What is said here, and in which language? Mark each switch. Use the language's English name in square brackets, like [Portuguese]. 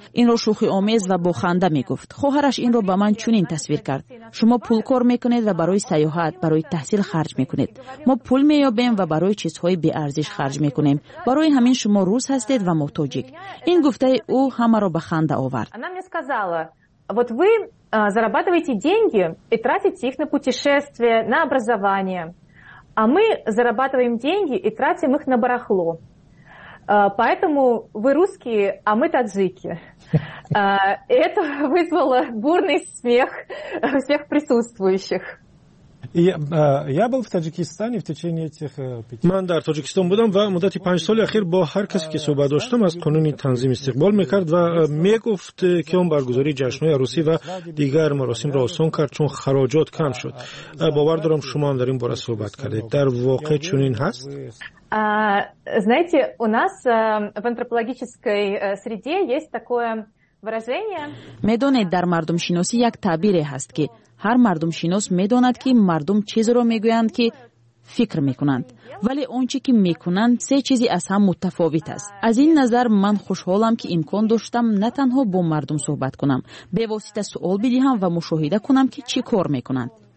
[Persian] این را شوخی آمیز و با خنده میگفت. خواهرش این را به من چنین تصویر کرد: شما پول کار میکنید و برای سیاحت، برای تحصیل خرج میکنید. ما پول مییابیم و برای چیزهای بی ارزش خرج میکنیم. برای همین شما روس هستید و ما تاجیک. این گفته او همه را به خنده آورد. [Russian] Она мне сказала: вот вы зарабатываете деньги и тратите их на путешествия, на образование. А мы зарабатываем деньги и тратим их на барахло. Поэтому вы русские, а мы таджики. Это вызвало бурный смех всех присутствующих. Я был в Таджикистане в течение этих 5 лет. [Tajik] Ман дар Таджикистон будам ва муддати 5 соли ахир бо ҳар касе ки суҳбат доштам аз қонуни танзим истиқбол мекард ва мегуфт ки он баргузори ҷашнҳои арусӣ ва дигар маросимро осон кард чун хароҷот кам шуд. Бовар дорам шумо ҳам дар ин бора суҳбат кардед. Дар воқеъ чунин ҳаст? [Russian] Знаете, у нас в антропологической среде есть такое выражение. [Tajik] Медонед дар мардум шиноси як табире ҳаст ки ҳар мардум шинос медонад ки мардум чизро мегӯянд ки фикр мекунанд. Вале он чи ки мекунанд се чизи аз ҳам мутафовит аст. Аз ин назар ман хушҳолам ки имкон доштам на танҳо бо мардум суҳбат кунам, бевосита суол бидиҳам ва мушоҳида кунам ки чӣ кор мекунанд.